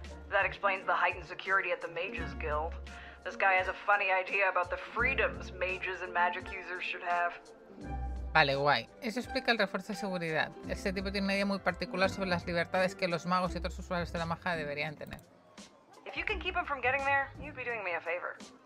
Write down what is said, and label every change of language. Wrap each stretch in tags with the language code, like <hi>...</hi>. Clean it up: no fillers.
<en>That explains the heightened security at the Mages Guild. This guy has a funny idea about the freedoms mages and magic users should have.</en> <es>Vale, guay. Eso explica el refuerzo de seguridad. Este tipo tiene una idea muy particular sobre las libertades que los magos y otros usuarios de la magia deberían tener.</es> <en>If you can keep him from getting there, you'd be doing me a favor.</en>